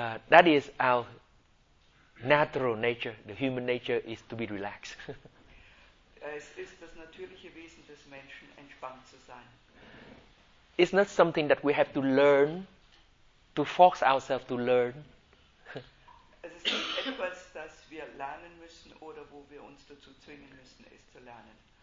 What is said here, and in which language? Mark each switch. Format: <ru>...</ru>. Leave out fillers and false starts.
<en>That is our natural nature, the human nature is to be relaxed.</en> <de>Es ist das natürliche Wesen des Menschen, entspannt zu sein.</de> <en>It's not something that we have to learn, to force ourselves to learn.</en> <de>Es ist nicht etwas, das wir lernen müssen oder wo wir uns dazu zwingen müssen, es zu lernen.</de>